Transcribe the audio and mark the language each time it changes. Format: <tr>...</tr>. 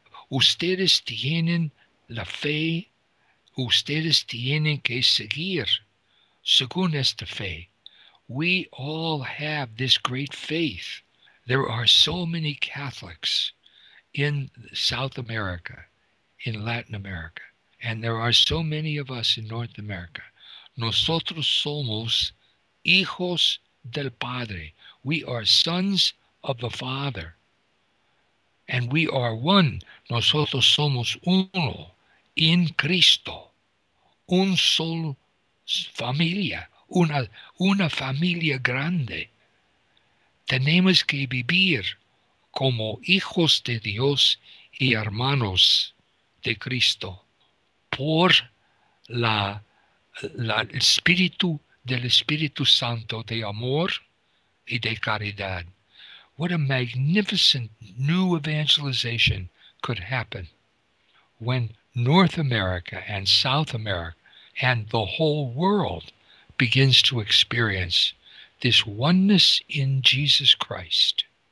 <es>Ustedes tienen la fe, ustedes tienen que seguir según esta fe.</es> <en>We all have this great faith. There are so many Catholics in South America, in Latin America, and there are so many of us in North America.</en> <es>Nosotros somos hijos del Padre.</es> <en>We are sons of the Father. And we are one.</en> <es>Nosotros somos uno in Cristo. Un solo familia. Una familia grande. Tenemos que vivir como hijos de Dios y hermanos de Cristo. por la espíritu del Espíritu Santo de amor y de caridad.</es> <en>What a magnificent new evangelization could happen when North America and South America and the whole world begins to experience this oneness in Jesus Christ.</en>